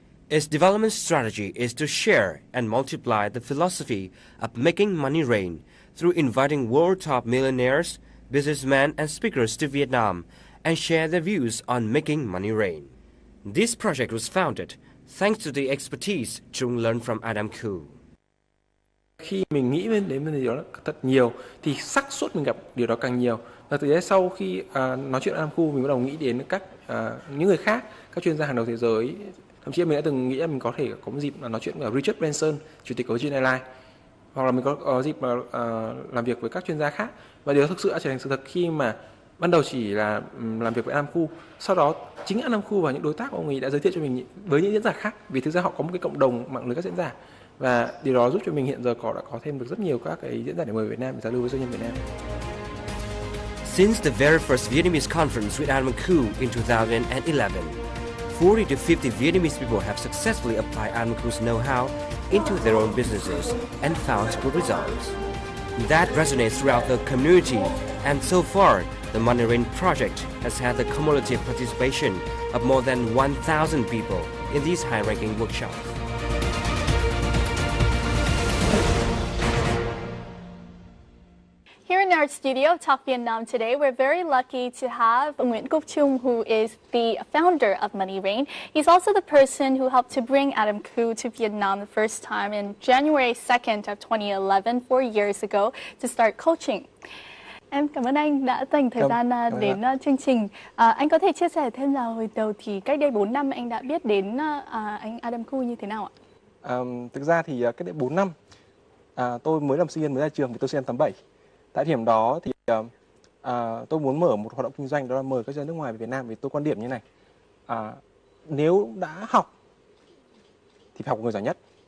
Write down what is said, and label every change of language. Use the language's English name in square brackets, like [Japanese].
[English] Its development strategy is to share and multiply the philosophy of making money rain through inviting world top millionaires, businessmen and speakers to Vietnam and share their views on making money rain. This project was founded thanks to the expertise Trung learned from Adam Ku. [Vietnamese] Khi mình nghĩ đến điều đó thật nhiều thì xác suất mình gặp điều đó càng nhiều. Và từ đấy sau khi nói chuyện với Adam Ku mình bắt đầu nghĩ đến các những người khác, các chuyên gia hàng đầu thế giới. Thậm chí mình đã từng nghĩ là mình có thể có một dịp nói chuyện với Richard Branson, chủ tịch của Virgin Airlines, hoặc là mình có dịp làm việc với các chuyên gia khác. Và điều đó thực sự đã trở thành sự thật khi mà ban đầu chỉ là làm việc với Adam Ku, sau đó chính Adam Ku và những đối tác của ông ấy đã giới thiệu cho mình với những diễn giả khác, vì thực ra họ có một cái cộng đồng mạng lưới các diễn giả, và điều đó giúp cho mình hiện giờ đã có thêm được rất nhiều các cái diễn giả để mời Việt Nam để giao lưu với doanh nhân Việt Nam. [English] Since the very first Vietnamese conference with Adam Ku in 2011, 40 to 50 Vietnamese people have successfully applied Adam Ku's know-how into their own businesses and found good results. That resonates throughout the community, and so far, the Money Rain project has had the cumulative participation of more than 1,000 people in these high-ranking workshops. Here in our studio, Talk Vietnam today, we're very lucky to have Nguyen Quốc Trung, who is the founder of Money Rain. He's also the person who helped to bring Adam Ku to Vietnam the first time in January 2nd of 2011, 4 years ago, to start coaching. [Vietnamese] Em cảm ơn anh đã dành thời gian đến chương trình. Anh có thể chia sẻ thêm là hồi đầu thì cách đây 4 năm anh đã biết đến anh Adam Ku như thế nào ạ? Thực ra thì cách đây 4 năm, tôi mới làm sinh viên mới ra trường, tôi sinh năm 87. Tại thời điểm đó thì tôi muốn mở một hoạt động kinh doanh, đó là mời các doanh nhân nước ngoài về Việt Nam, vì tôi quan điểm như này: nếu đã học thì phải học của người giỏi nhất.